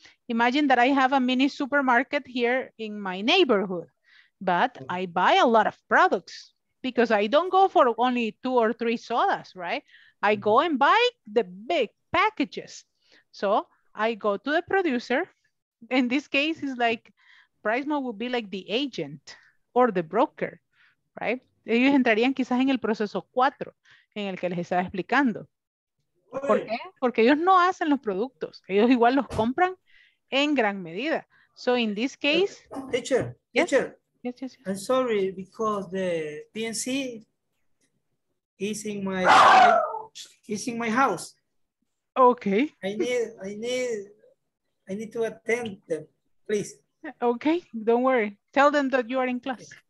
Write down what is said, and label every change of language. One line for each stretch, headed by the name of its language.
English: Imagine that I have a mini supermarket here in my neighborhood, but I buy a lot of products because I don't go for only two or three sodas, right? I go and buy the big packages. So I go to the producer. In this case, it's like Price Mart would be like the agent or the broker. Right?
Spanish: Ellos entrarían quizás en el proceso 4 en el que les estaba explicando. ¿Por qué? Porque ellos no hacen los productos. Ellos igual los compran en gran medida.
English: So in this case, teacher, yes? Teacher, yes. I'm sorry because the PNC is in my house. Okay. I need to attend them, please. Okay, don't worry. Tell them that you are in class.